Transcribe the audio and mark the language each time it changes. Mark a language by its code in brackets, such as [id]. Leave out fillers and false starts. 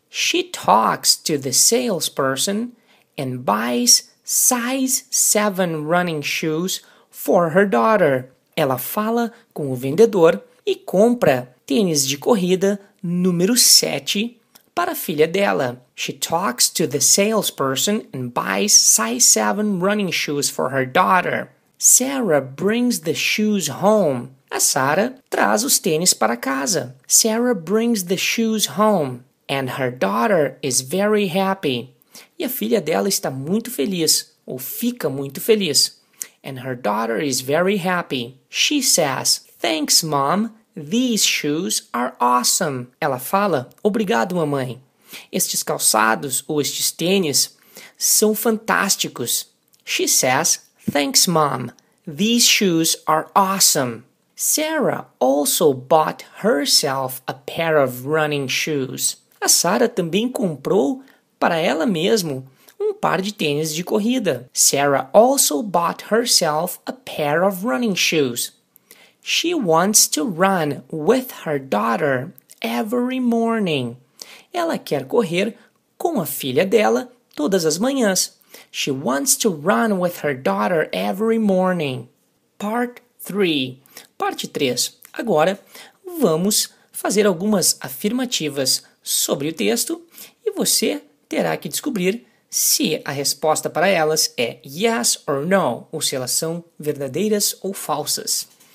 [en] She talks to the salesperson and buys size 7 running shoes for her daughter. [pt] Ela fala com o vendedor e compra tênis de corrida número 7 para a filha dela. [en] She talks to the salesperson and buys size 7 running shoes for her daughter. Sarah brings the shoes home. [pt] A Sarah traz os tênis para casa. [en] Sarah brings the shoes home. And her daughter is very happy. [pt] E a filha dela está muito feliz, ou fica muito feliz. [en] And her daughter is very happy. She says, thanks, mom. These shoes are awesome. [pt] Ela fala, obrigado, mamãe. Estes calçados ou estes tênis são fantásticos. [en] She says, thanks, mom. These shoes are awesome. Sarah also bought herself a pair of running shoes. [pt] A Sarah também comprou para ela mesma um par de tênis de corrida. [en] Sarah also bought herself a pair of running shoes. She wants to run with her daughter every morning. [pt] Ela quer correr com a filha dela todas as manhãs. [en] She wants to run with her daughter every morning. Part 3. [pt] Parte 3. Agora, vamos fazer algumas afirmativas sobre o texto e você terá que descobrir se a resposta para elas é [en] yes or no, [pt] ou se elas são verdadeiras ou falsas.